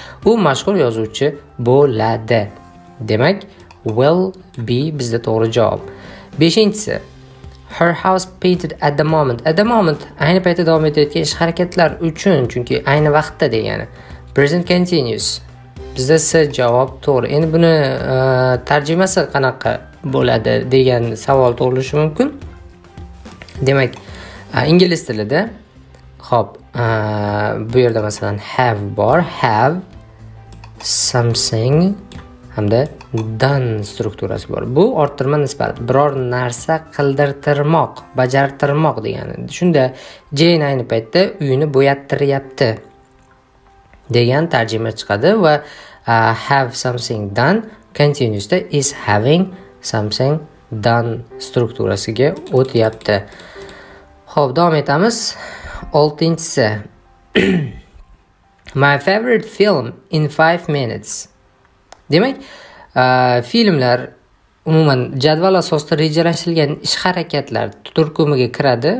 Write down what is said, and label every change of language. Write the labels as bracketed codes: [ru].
[uz] U mashhur yozuvchi bo'ladi. Demak, [en] will be [uz] bizda to'g'ri javob. 5-inchisi. [en] Her house painted at the moment. At the moment [uz] ayni paytda davom etayotgan ish harakatlar uchun, chunki ayni vaqtda degani. [en] Present continuous. [uz] Bizda C javob to'g'ri. Endi buni tarjimasi qanaqa bo'ladi degan savol tug'ilishi mumkin. Demak, ingliz tilida xo'p, bu yerda masalan have bor, have something hamda done strukturasi bor. Bu orttirma nisbat, biror narsa qildirtirmoq, bajartirmoq degani. Shunda Jane ayni paytda uyini bo'yattiryapti degan tarjima chiqadi va have something done continuousda is having something done strukturasiga o'tyapti. Xo'p, davom etamiz. 6-inchisi. [en] My favorite film in 5 minutes. [uz] Demak, filmlar umuman jadval asosida rejalashtirilgan ish harakatlar turkumiga kiradi.